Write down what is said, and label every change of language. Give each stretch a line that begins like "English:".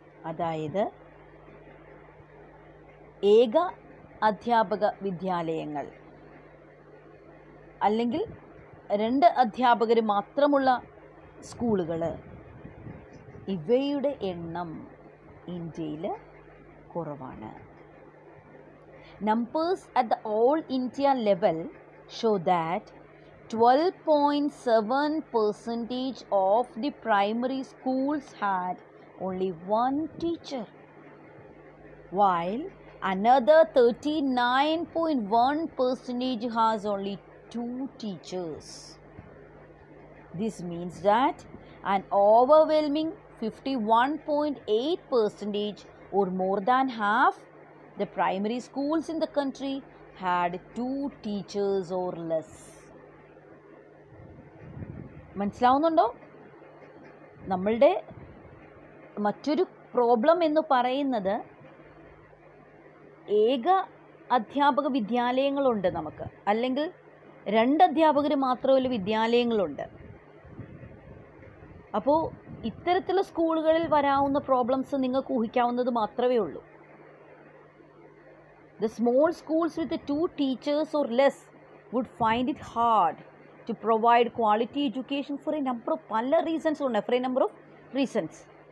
Malayalam: അതായത് ഏക അധ്യാപക വിദ്യാലയങ്ങൾ അല്ലെങ്കിൽ രണ്ട് അധ്യാപകർ മാത്രമുള്ള സ്കൂളുകൾ, ഇവയുടെ എണ്ണം ഇന്ത്യയിൽ കുറവാണ്.
English: Numbers at the All India level show that 12.7% of the primary schools had only one teacher, while another 39.1% has only two teachers. This means that an overwhelming 51.8% or more than half the primary schools in the country had two teachers or less.
Malayalam: മനസ്സിലാവുന്നുണ്ടോ? നമ്മളുടെ മറ്റൊരു problem എന്ന് പറയുന്നത് ഏക അധ്യാപക വിദ്യാലയങ്ങളുണ്ട് നമുക്ക്, അല്ലെങ്കിൽ രണ്ട് അധ്യാപകർ മാത്രമുള്ള വിദ്യാലയങ്ങളുണ്ട്. അപ്പോൾ ഇത്തരത്തിലുള്ള സ്കൂളുകളിൽ വരാവുന്ന പ്രോബ്ലംസ് നിങ്ങൾക്ക് ഊഹിക്കാവുന്നത് മാത്രമേ ഉള്ളൂ.
English: The small schools with the two teachers or less would find it hard to provide quality education for a number of reasons.